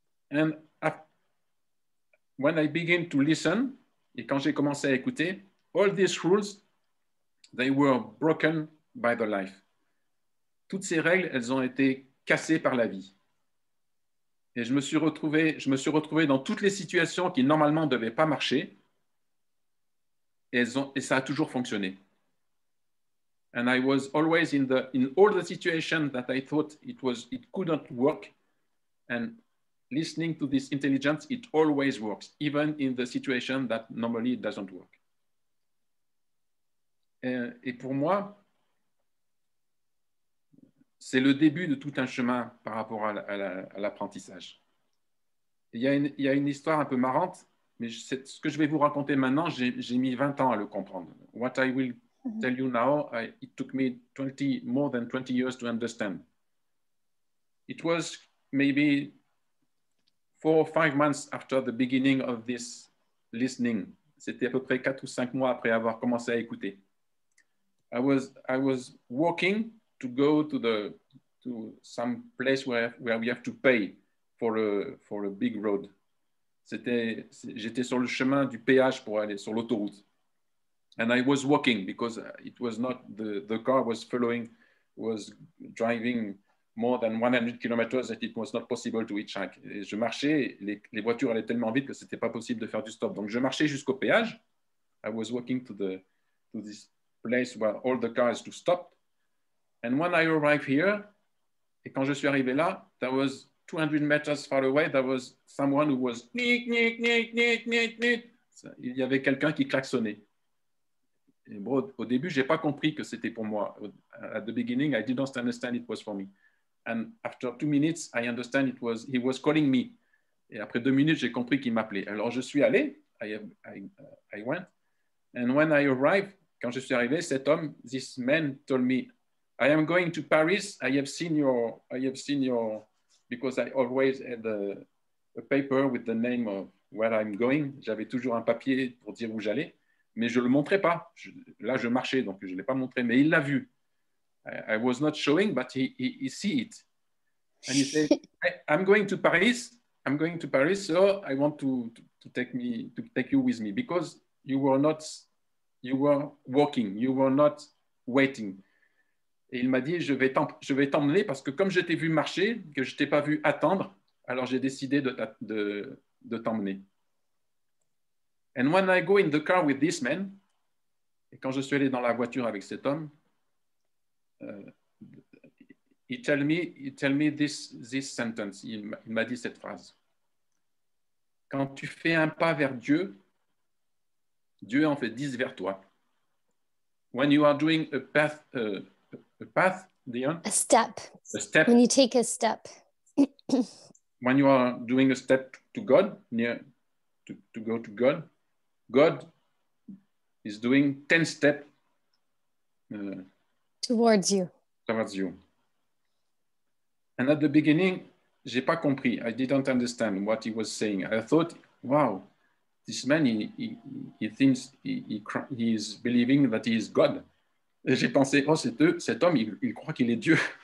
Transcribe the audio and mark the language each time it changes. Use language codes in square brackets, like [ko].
[en] And when I begin to listen, [fr] et quand j'ai commencé à écouter, [en] all these rules, they were broken by the life. [fr] Toutes ces règles, elles ont été cassées par la vie. Et je me suis retrouvé dans toutes les situations qui normalement ne devaient pas marcher, et ça a toujours fonctionné. [en] And I was always in all the situations that I thought it couldn't work. And listening to this intelligence, it always works, even in the situation that normally it doesn't work. [fr] Et pour moi, c'est le début de tout un chemin par rapport à l'apprentissage. Il y a une histoire un peu marrante, mais ce que je vais vous raconter maintenant, j'ai mis 20 ans à le comprendre. [en] What I will tell you now, it took me more than 20 years to understand. It was maybe 4 or 5 months after the beginning of this listening. [fr] C'était à peu près 4 ou 5 mois après avoir commencé à écouter. [en] I was walking to go to some place where we have to pay for a big road. [fr] J'étais sur le chemin du péage pour aller sur l'autoroute. [en] And I was walking because it was not the car was following, was driving more than 100 kilometers that it was not possible to hitchhike. [fr] Et je marchais, les voitures allaient tellement vite que ce n'était pas possible de faire du stop. Donc je marchais jusqu'au péage. [en] I was walking to this place where all the cars to stop. And when I arrived here, [fr] et quand je suis arrivé là, [en] there was 200 meters far away, there was someone who was nick, nick, nick, nick, nick, nick. [fr] So, il y avait quelqu'un qui klaxonnait. Et bon, au début, je n'ai pas compris que c'était pour moi. [en] At the beginning, I didn't understand it was for me. And after 2 minutes, I understand it was, he was calling me. [fr] Et après 2 minutes, j'ai compris qu'il m'appelait. Alors je suis allé, [en] I went. And when I arrived, [fr] quand je suis arrivé, cet homme, [en] this man told me, I am going to Paris. I have seen your, because I always had a paper with the name of where I'm going. [fr] J'avais toujours un papier pour dire où j'allais, mais je le montrais pas. Je marchais, donc je l'ai pas montré, mais il l'a vu. [en] I was not showing, but he see it. And he said, I'm going to Paris. So I want to take you with me because you were walking, you were not waiting. [fr] Et il m'a dit, je vais t'emmener parce que comme je t'ai vu marcher, que je ne t'ai pas vu attendre, alors j'ai décidé de t'emmener. [en] And when I go in the car with this man, [fr] et quand je suis allé dans la voiture avec cet homme, [en] he tell me this sentence, [fr] il m'a dit cette phrase. Quand tu fais un pas vers Dieu, Dieu en fait 10 vers toi. [en] When you are doing a step. When you take a step. When you are doing a step to God, near to go to God, God is doing 10 steps towards you. And at the beginning, [fr] j'ai pas compris. [en] I didn't understand what he was saying. I thought, wow, this man he thinks he is believing that he is God. [fr] Et j'ai pensé, oh, c'est eux, cet homme, il croit qu'il est Dieu.